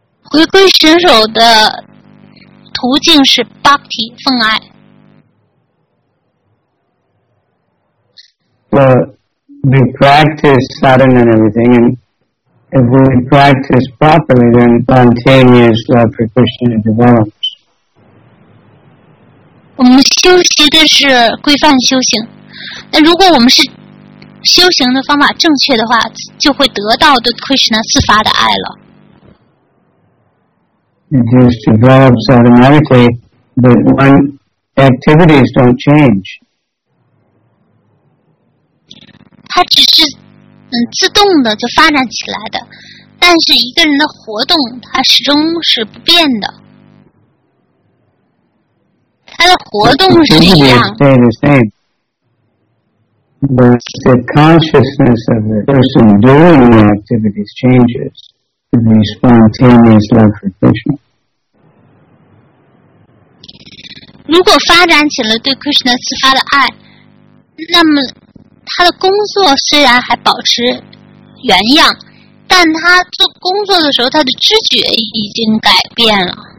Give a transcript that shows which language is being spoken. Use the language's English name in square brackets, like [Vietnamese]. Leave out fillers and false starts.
[Chinese] 回归神手的途径是 Bhakti 奉爱。 [English] Well, we practice sadhana and everything, and if we practice properly, then spontaneous love for Krishna develops. [Chinese] 我们修习的是规范修行，那如果我们是修行的方法正确的话，就会得到对 Krishna 自发的爱了。 [English] It just develops automatically, but one activities don't change. [Chinese] 它只是自动的就发展起来的，但是一个人的活动它始终是不变的。它的活动是一样。 [English] Stay the same, but the consciousness of the person doing the activities changes to be spontaneous love for Krishna. [Chinese] 如果发展起了对 Krishna 自发的爱，那么他的工作虽然还保持原样，但他做工作的时候，他的知觉已经改变了。